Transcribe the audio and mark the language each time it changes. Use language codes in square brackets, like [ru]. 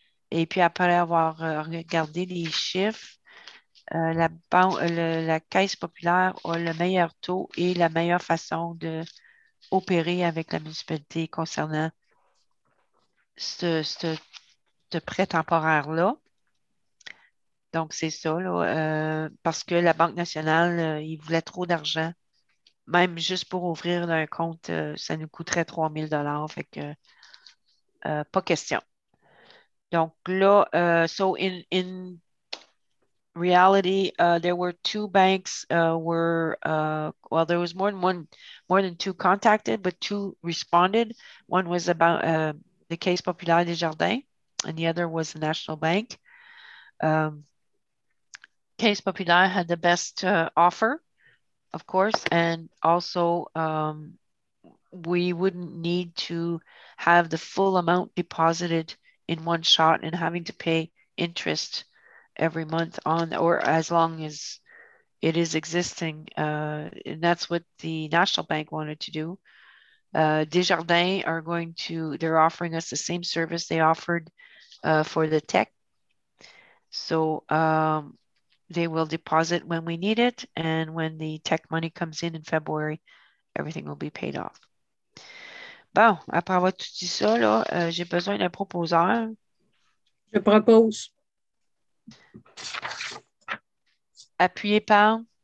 [fr] Et puis, après avoir regardé les chiffres, la Caisse populaire a le meilleur taux et la meilleure façon d'opérer avec la municipalité concernant ce prêt temporaire-là. Donc, c'est ça, là, parce que la Banque nationale, ils voulaient trop d'argent. Même juste pour ouvrir là, un compte, ça nous coûterait 3 000 $ fait que pas question. Donc là, [en] in reality, there were two banks there was more than two contacted, but two responded. One was about the Caisse Populaire des Jardins, and the other was the National Bank. Case Populaire had the best offer, of course, and also we wouldn't need to have the full amount deposited in one shot and having to pay interest every month on or as long as it is existing. And that's what the National Bank wanted to do. Desjardins are going to, they're offering us the same service they offered for the tech. So they will deposit when we need it. And when the tech money comes in February, everything will be paid off. [fr] Bon, après avoir tout dit ça, là, j'ai besoin d'un proposeur. Je propose. Appuyez par.